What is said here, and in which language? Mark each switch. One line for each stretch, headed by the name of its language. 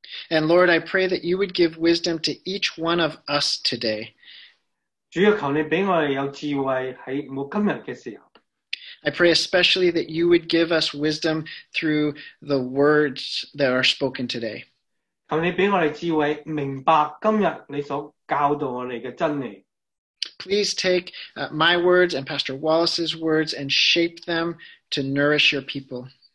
English: And Lord, I pray that you would give wisdom to each one of us today.
Chinese: 主要求你给我们有智慧在今天的时候。
English: I pray especially that you would give us wisdom through the words that are spoken today. Please take my words and Pastor Wallace's words and shape them to nourish your people.